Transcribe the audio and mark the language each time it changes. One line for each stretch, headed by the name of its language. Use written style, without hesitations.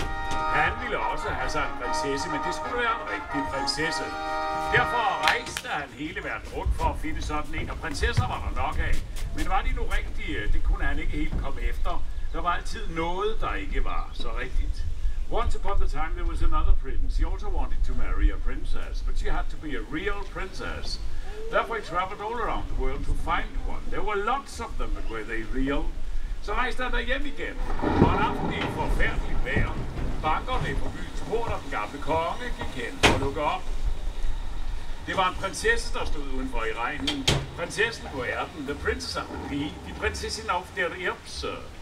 Danish: Han ville også have sig en prinsesse, men det skulle være en rigtig prinsesse. Derfor rejste han hele verden rundt for at finde sådan en, og prinsesser var der nok af. Men var de nu rigtige? Det kunne han ikke helt komme efter. Der var altid noget, der ikke var så rigtigt.
English: Once upon the time, there was another prince. He also wanted to marry a princess, but she had to be a real princess. Therefore, he traveled all around the world to find one. There were lots of them, but were they real?
Danish: Så rejste han derhjem igen. Og en aften i forfærdeligt vejr, bankerne på byens port, og den gamle konge gik hen og lukkede op. Det var en prinsesse, der stod udenfor i regnen. Prinsessen på ærten,
English: the princess of the pea,
German: de prinsessen auf der Erbse.